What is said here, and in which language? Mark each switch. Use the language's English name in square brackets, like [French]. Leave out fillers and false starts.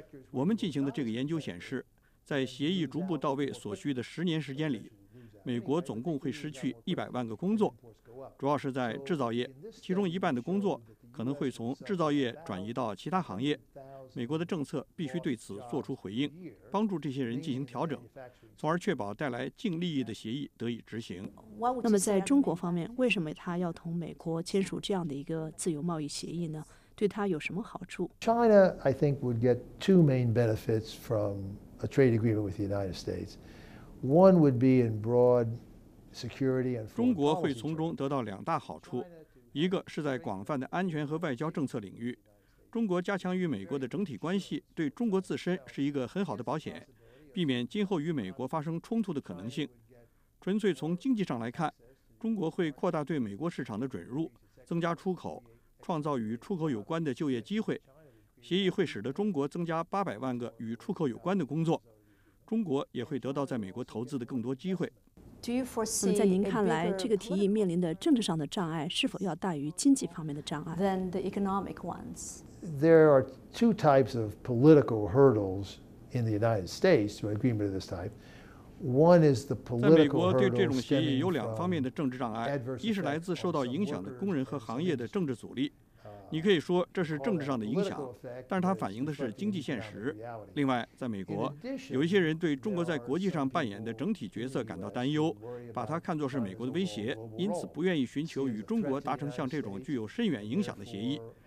[Chinese] 我们进行的这个研究显示，在协议逐步到位所需的10年时间里，美国总共会失去100万个工作，主要是在制造业，其中一半的工作可能会从制造业转移到其他行业。美国的政策必须对此做出回应，帮助这些人进行调整，从而确保带来净利益的协议得以执行。那么在中国方面，为什么他要同美国签署这样的一个自由贸易协议呢？对他有什么好处？ [English] China, I think, would get two main benefits from a trade agreement with the United States. One would be in broad security and. [Chinese] 中国会从中得到两大好处，一个是在广泛的安全和外交政策领域。中国加强与美国的整体关系，对中国自身是一个很好的保险，避免今后与美国发生冲突的可能性。纯粹从经济上来看，中国会扩大对美国市场的准入，增加出口，创造与出口有关的就业机会。协议会使得中国增加800万个与出口有关的工作，中国也会得到在美国投资的更多机会。那么在您看来，这个提议面临的政治上的障碍是否要大于经济方面的障碍？ [English] Than the economic ones. There are two types of political hurdles in the United States to an agreement of this type. One is the political hurdle. [Chinese] 在美国对这种协议有两方面的政治障碍，一是来自受到影响的工人和行业的政治阻力。你可以说这是政治上的影响，但是它反映的是经济现实。另外，在美国，有一些人对中国在国际上扮演的整体角色感到担忧，把它看作是美国的威胁，因此不愿意寻求与中国达成像这种具有深远影响的协议。